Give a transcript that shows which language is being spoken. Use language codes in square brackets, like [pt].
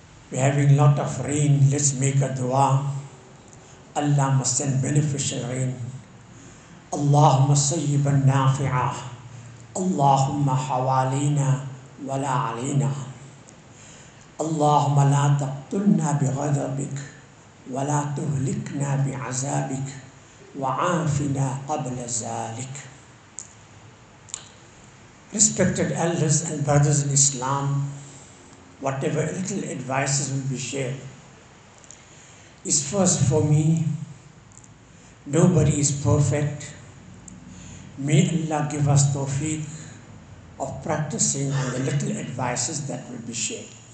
[en] We're having a lot of rain, let's make a dua. اللهم send beneficial rain. [ar] اللهم صيبا نافعا. اللهم حوالينا ولا علينا. اللهم لا تقتلنا بغضبك ولا تهلكنا بعذابك وعافنا قبل ذلك. [en] Respected elders and brothers in Islam, whatever little advices will be shared is first for me. Nobody is perfect. May Allah give us tawfiq of practicing the little advices that will be shared.